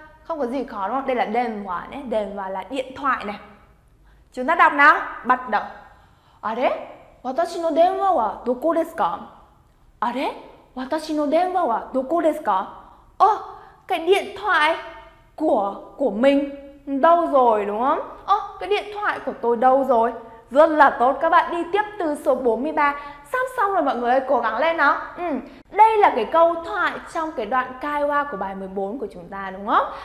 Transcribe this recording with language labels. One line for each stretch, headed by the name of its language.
Vietnamese: Không có gì khó đúng không? Đây là đèn hòa nhé. Đèn hòa là điện thoại này. Chúng ta đọc nào. Bắt đầu. À đấy,
Japanese: 私の電話はどこですか?
Vietnamese: À đấy,
Japanese: 私の電話はどこですか？
Vietnamese: あ、cái điện thoại của mình đâu rồi đúng không? Ơ, cái điện thoại của tôi đâu rồi? Rất là tốt, các bạn đi tiếp từ số 43. Sắp xong rồi mọi người ơi, cố gắng lên nào. Ừ, đây là cái câu thoại trong cái đoạn kaiwa của bài 14 của chúng ta đúng không?